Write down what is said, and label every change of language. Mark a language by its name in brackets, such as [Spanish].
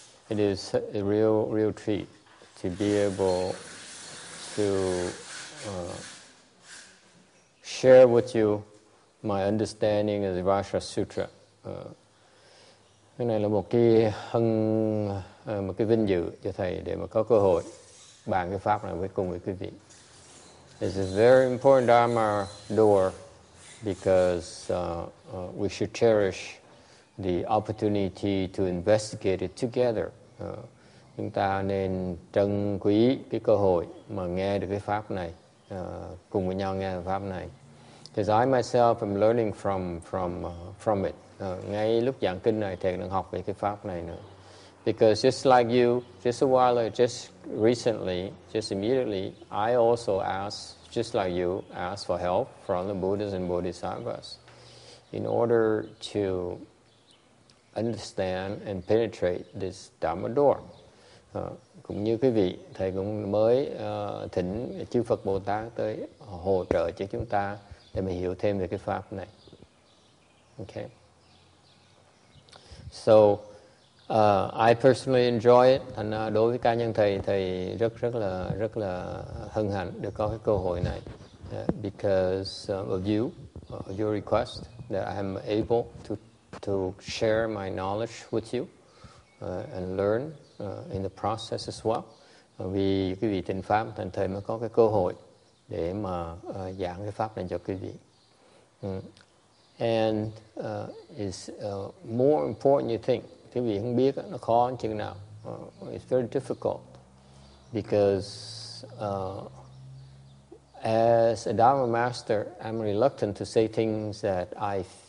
[English] It is a real treat to be able to share with you my understanding of the Vajra Sutra. [Vietnamese] Cái này là một cái hân, một cái vinh dự cho thầy để mà có cơ hội bàn cái pháp này với cùng với quý vị. [English] It's a very important Dharma door because we should cherish the opportunity to investigate it together. [Vietnamese] Chúng ta nên trân quý cái cơ hội mà nghe được cái pháp này, cùng với nhau nghe pháp này. [English] Because I myself am learning from it. [Vietnamese] Ngay lúc giảng kinh này, thầy đang học về cái pháp này nữa. [English] Because just like you, just a while ago, just recently, just immediately, I also asked, just like you, asked for help from the Buddhas and Bodhisattvas in order to understand and penetrate this Dharma door. [Vietnamese] Cũng như quý vị, thầy cũng mới thỉnh chư Phật Bồ Tát tới hỗ trợ cho chúng ta để mình hiểu thêm về cái pháp này. Okay. [English] So, I personally enjoy it. And [Vietnamese] đối với cá nhân thầy, thầy rất là hân hạnh được có cái cơ hội này. [English] Because of you, your request, that I am able to share my knowledge with you and learn. In the process as well, [Vietnamese] vì quý vị tịnh pháp thành thời mới có cái cơ hội để mà giảng cái pháp này cho quý vị. [English] And is more important you think, [Vietnamese] quý vị không biết nó khó chừng nào. [English] It's very difficult because as a Dharma master, I'm reluctant to say things that I